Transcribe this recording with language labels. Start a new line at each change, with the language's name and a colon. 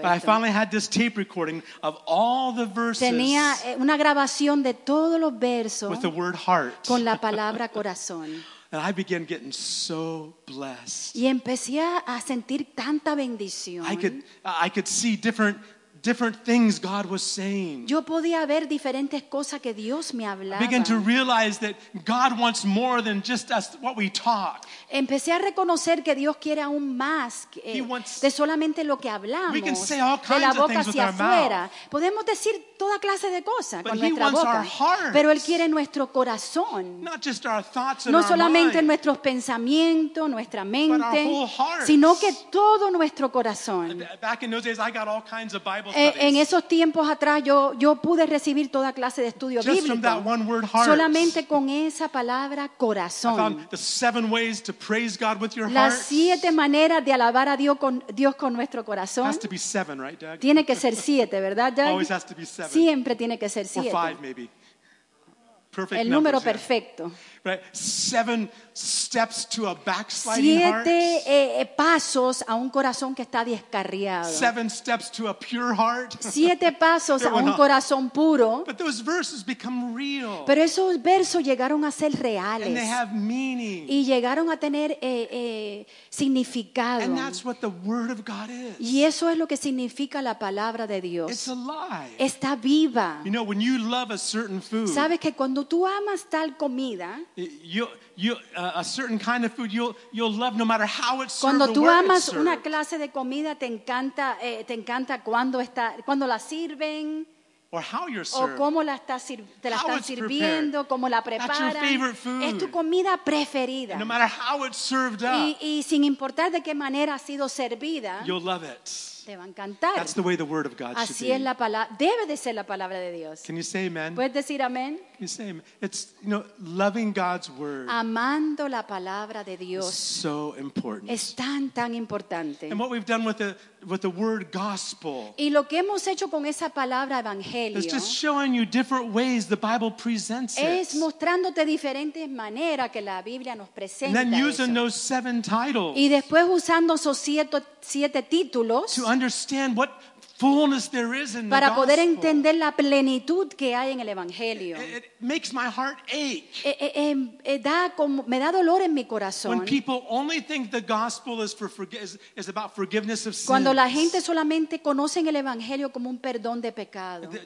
Spanish: esto.
English: I finally had this tape recording of all the verses.
Spanish: Tenía una grabación de todos los versos
English: with the word heart.
Spanish: Con la palabra corazón.
English: And I began getting so blessed.
Spanish: Y empecé a sentir tanta bendición.
English: I could see different things God was saying.
Spanish: Yo podía ver diferentes cosas que Dios me hablaba.
English: I began to realize that God wants more than just us what we talk.
Spanish: Empecé a reconocer que Dios quiere aún más de solamente lo que hablamos.
English: We can say all kinds
Spanish: de la boca hacia afuera.
English: Mouth.
Spanish: Podemos decir toda clase de cosas
English: but
Spanish: con nuestra boca.
English: Hearts,
Spanish: pero Él quiere nuestro corazón.
English: Not just our thoughts and
Spanish: no solamente
English: our mind,
Spanish: nuestros pensamientos, nuestra mente,
English: but our whole hearts.
Spanish: Sino que todo nuestro corazón.
English: Back in those days, I got all kinds of Bible studies.
Spanish: En esos tiempos atrás, yo pude recibir toda clase de estudio
English: just
Spanish: bíblico.
English: From that one word, hearts.
Spanish: Solamente con esa palabra corazón.
English: I found the seven ways to praise God with your heart.
Spanish: Las siete maneras de alabar a Dios con nuestro corazón.
English: Has to be seven, right, Doug?
Spanish: Tiene que ser siete, ¿verdad, Doug?
English: Always has to be seven.
Spanish: Siempre tiene que ser siete.
English: Or five, maybe. Perfect.
Spanish: El número
English: numbers,
Spanish: perfecto.
English: Yeah. Right. Seven steps to a backsliding
Spanish: siete,
English: heart.
Spanish: Siete pasos a un corazón que está descarriado.
English: Seven steps to a pure heart.
Spanish: Siete pasos a un corazón puro.
English: But those verses become real.
Spanish: Pero esos versos llegaron a ser reales.
English: And they have meaning.
Spanish: Y llegaron a tener significado.
English: And that's what the word of God is.
Spanish: Y eso es lo que significa la palabra de Dios.
English: It's alive.
Spanish: Está viva.
English: You know, when you love a certain food.
Spanish: Sabes que cuando tú amas tal comida,
English: a certain kind of food, you'll love no matter how it's served.
Spanish: Cuando tú amas una clase de comida, te encanta cuando la sirven.
English: Or how you're served.
Spanish: O cómo te la están sirviendo, cómo la preparan.
English: That's your favorite food.
Spanish: Es tu comida preferida.
English: No matter how it's served up.
Spanish: Y sin importar de qué manera ha sido servida.
English: You'll love it.
Spanish: Te va a encantar.
English: That's the way the word of God
Spanish: así
English: should be.
Spanish: Así es la palabra. Debe de ser la palabra de Dios.
English: Can you say amen?
Spanish: ¿Puedes decir amén?
English: Can you say amen? It's, you know, loving God's word.
Spanish: Amando la palabra de Dios.
English: Is so important.
Spanish: Es tan, tan importante.
English: And what we've done with the word gospel.
Spanish: Y lo que hemos hecho con esa palabra evangelio.
English: It's just showing you different ways the Bible presents it.
Spanish: Es mostrándote diferentes maneras que la Biblia nos presenta.
English: And then using Those seven titles.
Spanish: Y después usando esos siete títulos.
English: To understand what fullness there is in the
Spanish: para poder
English: gospel.
Spanish: Entender la plenitud que hay en el evangelio.
English: It makes my heart ache.
Spanish: Me da dolor en mi corazón.
English: When people only think the gospel is about forgiveness of sins.
Spanish: Cuando la gente solamente conoce el evangelio como un perdón de pecado.